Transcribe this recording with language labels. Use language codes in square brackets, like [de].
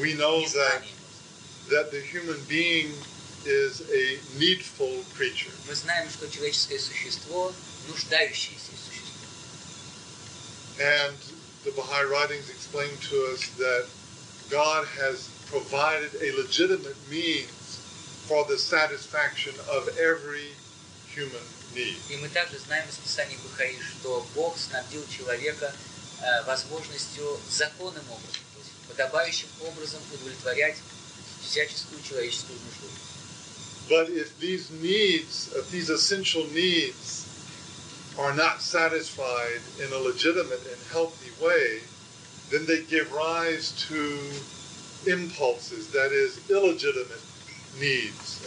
[en] We know that the human being is a needful creature. [ru] Мы знаем, что человеческое существо нуждающееся существо. [en] And the Baha'i writings explain to us that God has provided a legitimate means for the satisfaction of every human being. [ru] И мы также знаем из Писания Бахаи, что Бог снабдил человека возможностью законным образом, то есть подобающим образом удовлетворять всяческую человеческую нужду. [en] But if these needs, if these essential needs are not satisfied in a legitimate and healthy way, then they give rise to impulses, that is, illegitimate needs.